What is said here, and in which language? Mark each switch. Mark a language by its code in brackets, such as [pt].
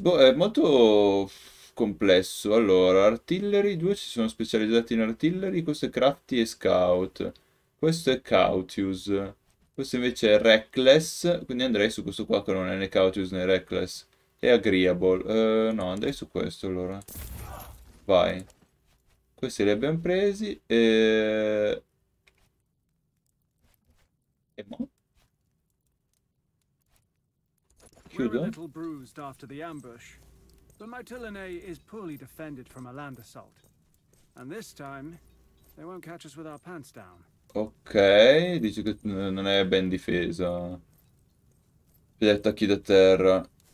[it] Boh, è molto complesso. Allora, artillery, due si sono specializzati in artillery, questo è crafty e scout, questo è cautious, questo invece è reckless, quindi andrei su questo qua che non è né cautious né reckless. è agreeable. No, andrei su questo allora. Vai. Questi li abbiamo presi. [en] We're a little bruised after the ambush. The Mytilene is poorly defended from a land assault. And this time, they won't catch us with our pants down. [it] Ok, dice che non è ben difesa. Gli attacchi da terra.